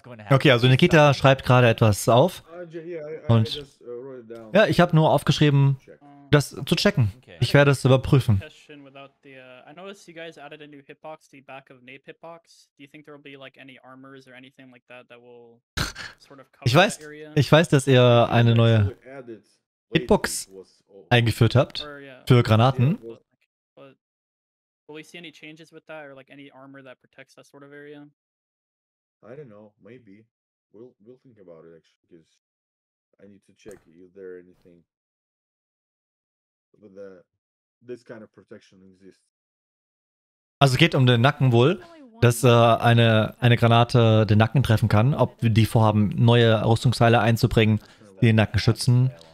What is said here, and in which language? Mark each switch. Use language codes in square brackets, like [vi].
[de] Okay, also Nikita schreibt gerade etwas auf. Und ja, ich habe nur aufgeschrieben, das zu checken. Ich werde es überprüfen. [en] I noticed you guys added a new hitbox to the back of Nate's hitbox. Do you think there will be like any armors or anything like that that will sort of cover that area? [de] Ich weiß, dass ihr eine neue Hitbox eingeführt habt für Granaten. [en] Will we see any changes with that or like any armor that protects that sort of area? I don't know, maybe. We'll think about it actually, because I need to check if there anything with the this kind of protection exists. [de] Also geht um den Nacken wohl, dass eine Granate den Nacken treffen kann, ob die vorhaben, neue Rüstungsteile einzubringen, die den Nacken schützen.